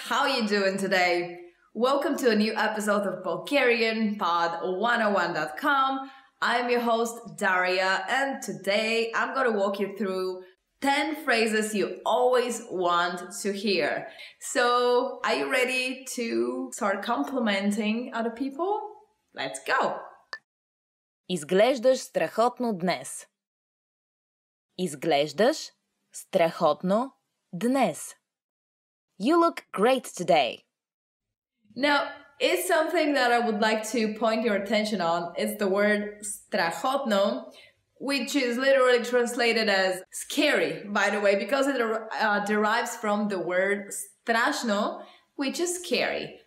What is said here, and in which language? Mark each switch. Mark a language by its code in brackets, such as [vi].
[en] How you doing today? Welcome to a new episode of BulgarianPod101.com. I'm your host, Daria, and today I'm gonna walk you through 10 phrases you always want to hear. So, are you ready to start complimenting other people? Let's go! [bg] Изглеждаш страхотно днес. Изглеждаш страхотно днес. [en] You look great today. Now, it's something that I would like to point your attention on. It's the word strahotno, which is literally translated as scary, by the way, because it derives from the word strashno, which is scary.